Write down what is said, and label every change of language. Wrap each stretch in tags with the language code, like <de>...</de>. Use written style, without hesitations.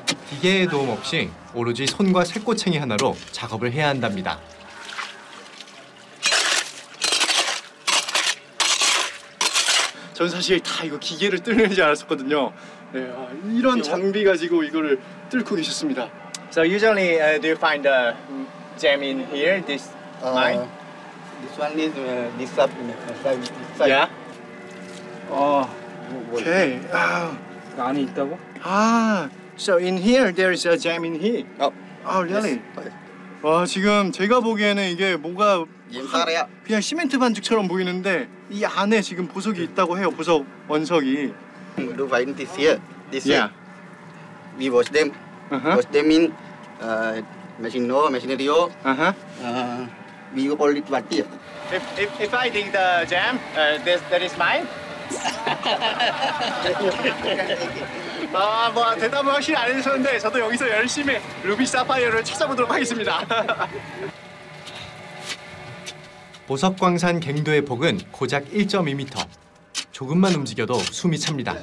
<ko>기계의 도움 없이 오로지 손과 쇠꼬챙이 하나로 작업을 해야 한답니다. 전 사실 다 이거 기계를 뚫는 줄 알았었거든요. 네, 이런 장비 가지고 이거를 뚫고 계셨습니다.</ko> <en>So usually do you find a gem in here, this mine? This one is this side. Yeah. Oh. Okay. Ah.</en> <ko>안에 있다고? Ah.</ko> <en>So in here there is a gem in here. Oh. Oh, really? Yes.</en> <ko>와 지금 제가 보기에는 이게 뭐가 인사래야. 그냥 시멘트 반죽처럼 보이는데 이 안에 지금 보석이 있다고 해요. 보석 원석이.</ko> <en>Do you find this here? This yeah. We wash them. Uh-huh. Wash them in machinery. Uh-huh. We call it what? If I dig the gem, that is mine.</en> <ko>아, 뭐 대답을 확실히 안 해주셨는데 저도 여기서 열심히 루비 사파이어를 찾아보도록 하겠습니다. 보석 광산 갱도의 폭은 고작 1.2m. 조금만 움직여도 숨이 찹니다.</ko>